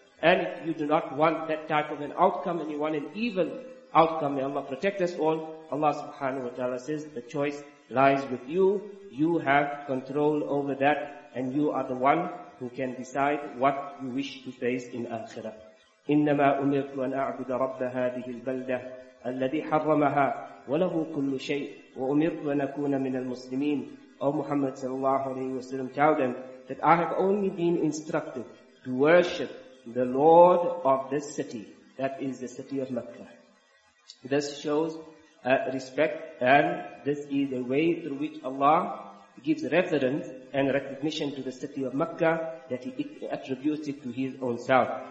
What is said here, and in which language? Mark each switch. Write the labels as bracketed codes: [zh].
[en] And if you do not want that type of an outcome and you want an evil outcome, may Allah protect us all, Allah subhanahu wa ta'ala says, the choice lies with you. You have control over that, and you are the one who can decide what you wish to face in Akhirah. [ar] إنما أمرت أن أعبد رب هذه البلدة الذي حرمها وله كل شيء وأمرت أن أكون من المسلمين. [en] O Muhammad sallallahu alayhi wa sallam, tell them that I have only been instructed to worship the Lord of this city, that is the city of Makkah. This shows respect, and this is a way through which Allah gives reverence and recognition to the city of Makkah, that He attributes it to His own self.